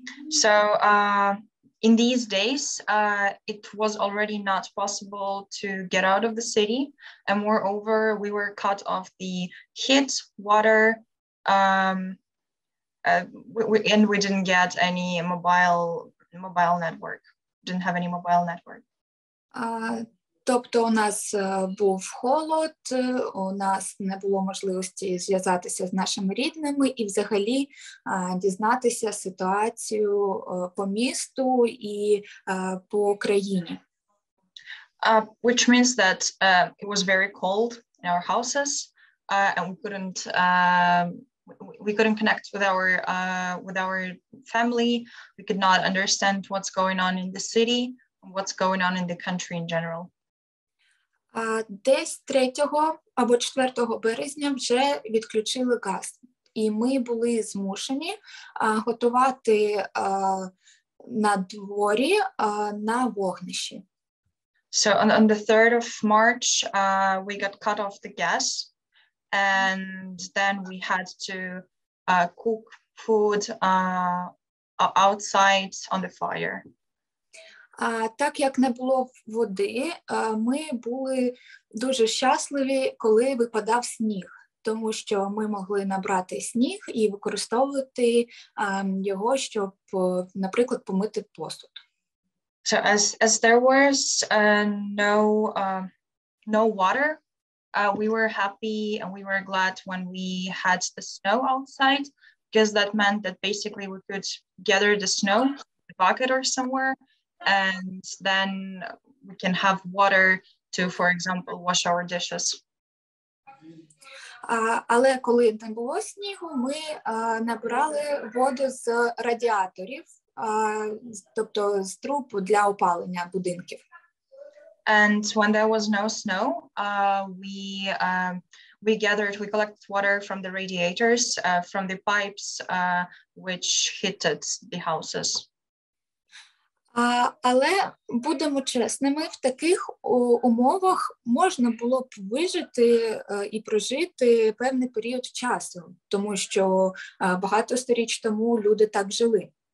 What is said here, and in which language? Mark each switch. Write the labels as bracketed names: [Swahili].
[English] So in these days it was already not possible to get out of the city, and moreover we were cut off the heat, water, we didn't get any mobile network. Didn't have any mobile network. [Ukrainian] Тобто у нас був холод, у нас не було можливості зв'язатися з нашими рідними і взагалі дізнатися ситуацію по місту і по країні. [English] Which means that it was very cold in our houses, and we couldn't connect with our family. We could not understand what's going on in the city, what's going on in the country in general. [Ukrainian] Десь 3 або 4 березня вже відключили газ, і ми були змушені готувати на дворі на вогнищі. [English] So on the 3rd of March, we got cut off the gas, and then we had to cook food outside on the fire. [Ukrainian] Так як не було води, ми були дуже щасливі, коли випадав сніг, тому що ми могли набрати сніг і використовувати його, щоб, наприклад, помити посуд. [English] So as there was no water, we were happy and we were glad when we had the snow outside, because that meant that basically we could gather the snow in a bucket or somewhere. And then we can have water to, for example, wash our dishes. [Ukrainian] Але коли не було снігу, ми набрали воду з радіаторів, тобто з труб для опалення будинків. [English] And when there was no snow, we collected water from the radiators, from the pipes, which heated the houses. [Ukrainian] Але будемо чесними, в таких умовах можна було б вижити і прожити певний період часу, тому що багато сторіч тому люди так жили.